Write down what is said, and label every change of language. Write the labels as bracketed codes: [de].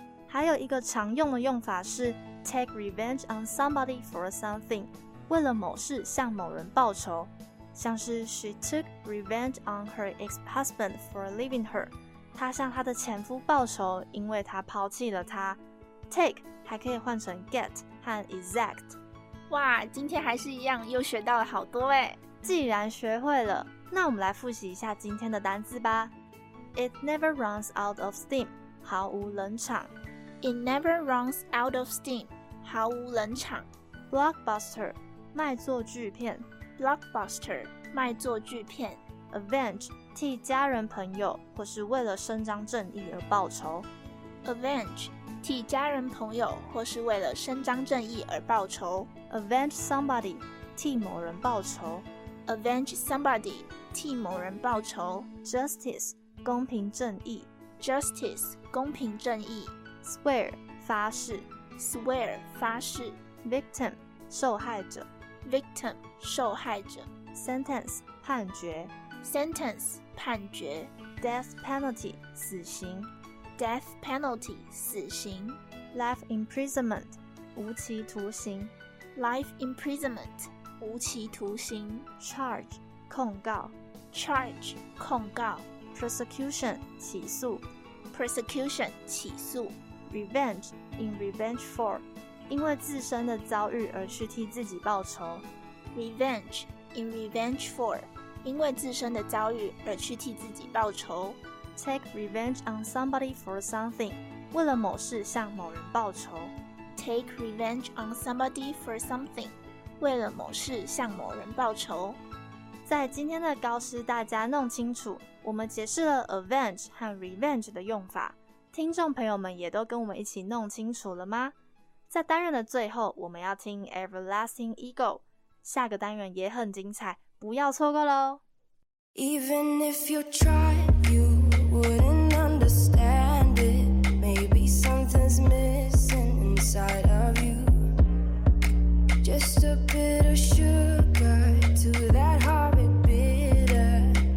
[zh] 还有一个常用的用法是 [en] take revenge on somebody for something， [zh] 为了某事向某人报仇，像是 [en] she took revenge on her ex-husband for leaving her， [zh] 她向她的前夫报仇因为她抛弃了她。 take 还可以换成 get 和 exact。哇，今天还是一样又学到了好多耶。既然学会了，那我们来复习一下今天的单字吧。 [en] it never runs out of steam [zh] 毫无冷场。 [en] It never runs out of steam， [zh] 毫无冷场。 blockbuster 卖座巨片 blockbuster 卖座巨片 avenge 替家人朋友或是为了伸张正义而报仇 avenge 替家人朋友或是为了伸张正义而报仇 [en] avenge somebody [zh] 替某人报仇 [en] avenge somebody [zh] 替某人报仇 justice 公平正义 justice 公平正义 swear 发誓 swear 发誓 Victim 受害者 Victim 受害者 Sentence 判决 Sentence 判决 [en] Death penalty [zh] 死刑 [en] Death penalty [zh] 死刑 [en] Life imprisonment [zh] 无期徒刑 [en] Life imprisonment [zh] 无期徒刑 Charge 控告 Charge 控告 Prosecution 起诉 Prosecution 起诉 [en] Revenge in revenge for [zh] 因为自身的遭遇而去替自己报仇 [en] Revenge in revenge for [zh] 因为自身的遭遇而去替自己报仇 [en] Take revenge on somebody for something [zh] 为了某事向某人报仇 [en] Take revenge on somebody for something [zh] 为了某事向某人报仇在今天的高师大家弄清楚我们解释了 avenge 和 revenge 的用法听众朋友们也都跟我们一起弄清楚了吗在单元的最后我们要听 [en] Everlasting Eagle [zh] 下个单元也很精彩不要错过咯 [en] Even if you try You wouldn't understand it Maybe something's missing inside of you Just a bit of sugar To that horrid bitter